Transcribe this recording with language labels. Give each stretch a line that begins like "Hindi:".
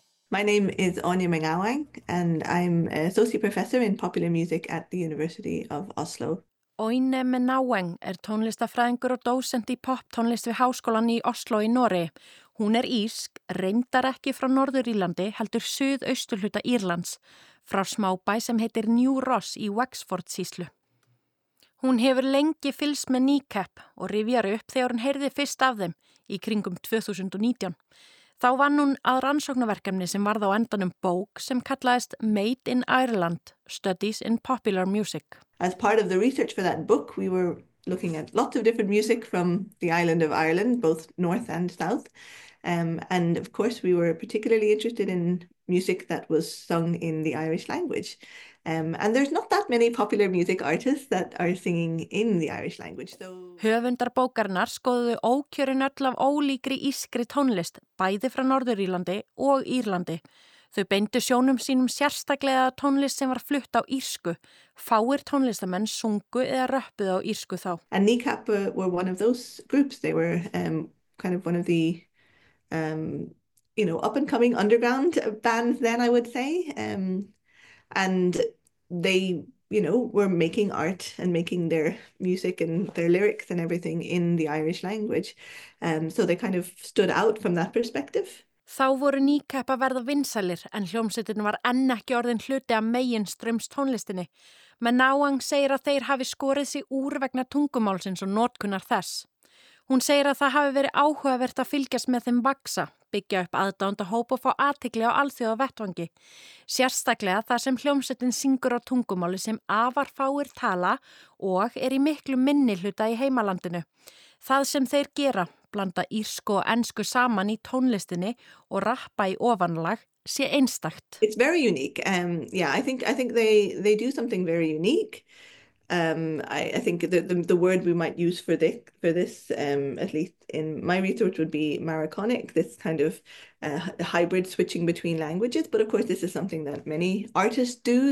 English: My name is Anya Mengawang and I'm an associate professor in popular music at the University of Oslo.
Icelandic: Oine Menaweng er tónlistafræðingur og dósent í poptónlist við háskólan í Oslo í Nóri. Hún er ísk, reyndar ekki frá Norður-Írlandi, heldur suðausturhluta Írlands, frá smábæ sem heitir New Ross í Wexford-sýslu. Hún hefur lengi fylst með Kneecap og rifjar upp þegar hún heyrði fyrst af þeim í kringum 2019. Þá vann hún að rannsóknarverkefni sem varð á endanum bók sem kallaðist Made in Ireland, Studies in Popular Music.
English: As part of the research for that book, we were looking at lots of different music from the island of Ireland, both north and south. And of course, we were particularly interested in music that was sung in the Irish language. And there's not that many popular music artists that are singing in the Irish language.
Icelandic: Höfundar bókarinnar skoðuðu ókjörin öll af ólíkri ískri tónlist, bæði frá Norður-Írlandi og Írlandi. Þau beindu sjónum sínum sérstaklega tónlist sem var flutt á írsku. Fáir tónlistamenn sungu eða röppuð á írsku þá.
English: And Kneecap were one of those groups. They were kind of one of the, you know, up and coming underground bands then, I would say. And they, you know, were making art and making their music and their lyrics and everything in the Irish language. So they kind of stood out from that perspective.
Icelandic: Þá voru Kneecap að verða vinsælir en hljómsveitin var enn ekki orðin hluti af megin ströms tónlistinni. Menaweng segir að þeir hafi skorið sig úr vegna tungumálsins og notkunar þess. Hún segir að það hafi verið áhugavert að fylgjast með þeim vaxa, byggja upp aðdánda hóp og fá athygli á alþjóða vettvangi. Sérstaklega það sem hljómsveitin syngur á tungumáli sem afar fáir tala og er í miklu minni hluta í heimalandinu. Það sem þeir gera, blanda írsku og ensku saman í tónlistinni og rappa í ofanlag, sé einstakt.
English: It's very unique. I think they do something very unique. I think the word we might use for this at least in my research would be maraconic, this kind of hybrid switching between languages, but of course this is something that many artists do.